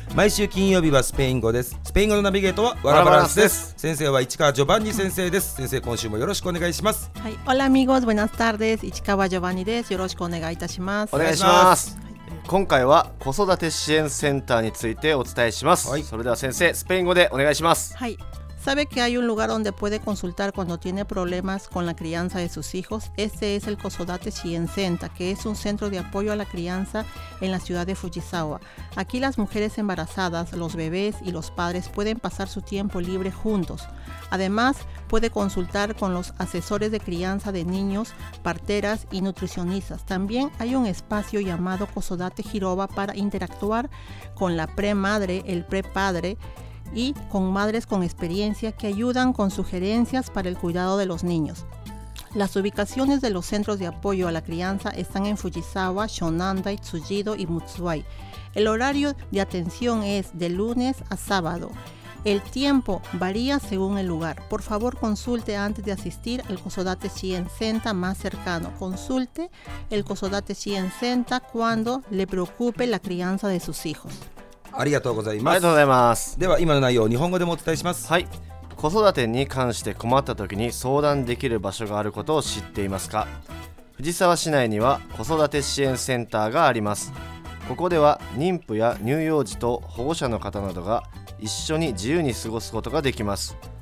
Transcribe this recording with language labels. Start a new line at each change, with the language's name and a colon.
Japanese: 毎週金曜日はスペイン語です。スペイン語のナビゲートはワラバランスです。先生は市川ジョバンニ先生です。先生、今週もよろしくお願いします。はい、
Spanish: オラアミゴス、ブナスタール
Japanese: です。市川ジョバンニです。よろしくお願いいたします。お願いします。今回は子育て支援センターについてお伝えします。はい、それでは先生、スペイン語でお願いします。はい。
Spanish: ¿Sabe que hay un lugar donde puede consultar cuando tiene problemas con la crianza de sus hijos? Este es el Cosodate Shien Senta, que es un centro de apoyo a la crianza en la ciudad de Fujisawa. Aquí las mujeres embarazadas, los bebés y los padres pueden pasar su tiempo libre juntos. Además, puede consultar con los asesores de crianza de niños, parteras y nutricionistas. También hay un espacio llamado Cosodate Hiroba para interactuar con la pre-madre, el pre-padre, y con madres con experiencia que ayudan con sugerencias para el cuidado de los niños. Las ubicaciones de los centros de apoyo a la crianza están en Fujisawa, Shonandai, Tsujido y Mutsuai. El horario de atención es de lunes a sábado. El tiempo varía según el lugar. Por favor, consulte antes de asistir al Cosodate Shien Senta más cercano. Consulte el Cosodate Shien Senta cuando le preocupe la crianza de sus hijos。
Japanese: ありがとうございます。ありがとうございます。では今の内容を日本語でもお伝えします。はい。子育てに関して困った時に相談できる場所があることを知っていますか？藤沢市内には子育て支援センターがあります。ここでは妊婦や乳幼児と保護者の方などが一緒に自由に過ごすことができます。